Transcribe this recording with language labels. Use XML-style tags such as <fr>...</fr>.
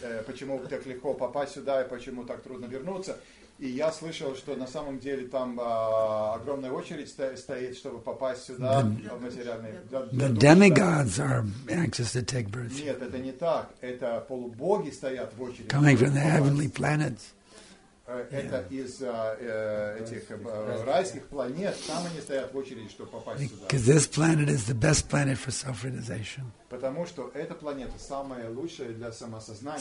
<ru>Почему так легко попасть сюда и почему так трудно вернуться? И я слышал, что на самом деле там огромная очередь стоит, чтобы попасть сюда, в материальный...</ru> <en>The demigods are anxious to take birth.</en> <ru>Нет, это не так. Это полубоги стоят в очереди.</ru> <en>Coming from the heavenly planets.</en> <ru>Это из этих райских планет. Там они стоят в очереди, чтобы попасть сюда.</ru> <en>Because this planet is the best planet for self-realization.</en> <ru>Потому что эта планета самая лучшая для самосознания.</ru>